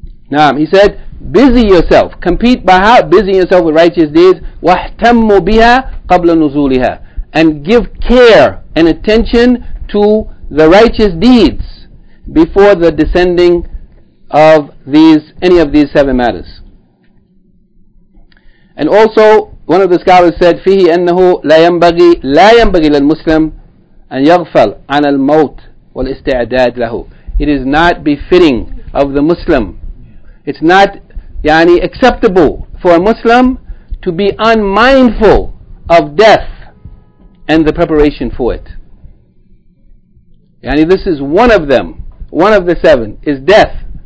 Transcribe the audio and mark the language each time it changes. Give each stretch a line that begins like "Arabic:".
English: Now, he said, busy yourself. Compete by heart, busy yourself with righteous deeds.
Arabic: وَاحْتَمُّ بِهَا قَبْلَ نُزُولِهَا.
English: And give care and attention to the righteous deeds before the descending of any of these seven matters. And also, one of the scholars said,
Arabic: فِيهِ أَنَّهُ لَا يَنْبَغِي لِلْمُسْلِمِ أَنْ يَغْفَلْ عَنَ الْمَوْتِ وَالْإِسْتِعْدَادِ لَهُ.
English: It is not befitting of the Muslim. It's not acceptable for a Muslim to be unmindful of death and the preparation for it. Yani, this is one of them, one of the seven, is death.